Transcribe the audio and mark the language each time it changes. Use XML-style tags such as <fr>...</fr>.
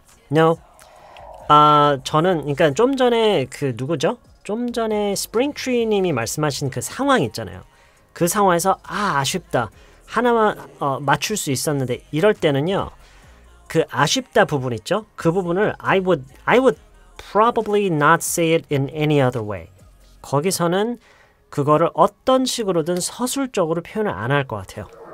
<en>No.</en> <ko>저는 그러니까 좀 전에 그 누구죠? 좀 전에 스프링트리님이 말씀하신 그 상황 있잖아요. 그 상황에서 아쉽다. 하나만 맞출 수 있었는데 이럴 때는요. 그 아쉽다 부분 있죠? 그 부분을</ko> <en>I would probably not say it in any other way.</en> <ko>거기서는 그거를 어떤 식으로든 서술적으로 표현을 안 할 것 같아요.</ko>